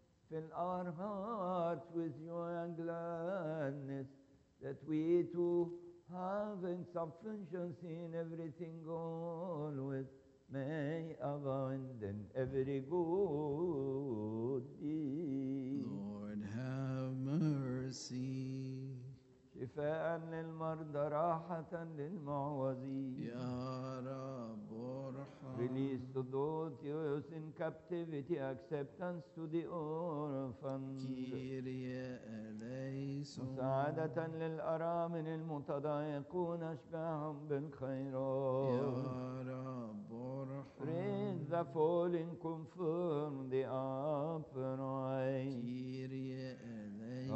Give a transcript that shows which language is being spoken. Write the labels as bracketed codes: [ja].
[en] fill our hearts with joy and gladness, that we too, having sufficiency in everything always, may abound in every good deed. Lord, have mercy. [ar] شفاء للمرضى راحة للمعوزين يا رب ارحم [en] Release to those youths in captivity acceptance to the orphans [el] كيريه إليسون [ar] مساعدة للأرامل المتضايقون أشبعهم بالخيرات يا رب ارحم [en] Raise the fallen confirm the upright [el] كيريه إليسون